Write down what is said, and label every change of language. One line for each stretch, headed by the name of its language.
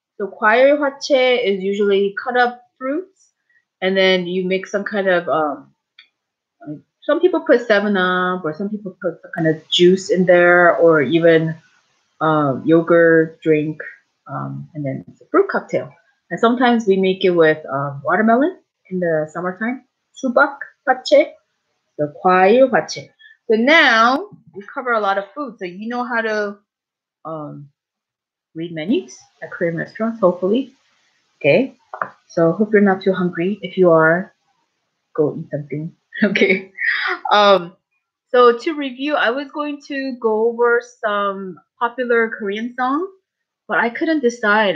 English: So 과일 화채 is usually cut up fruits, and then you make some kind of, some people put 7-Up, or some people put some kind of juice in there, or even yogurt drink, and then it's a fruit cocktail. And sometimes we make it with watermelon in the summertime.
Korean: 수박 화채, so 과일 화채.
English: So now, we cover a lot of food, so you know how to read menus at Korean restaurants, hopefully. Okay, so hope you're not too hungry. If you are, go eat something. Okay, so to review, I was going to go over some popular Korean songs, but I couldn't decide.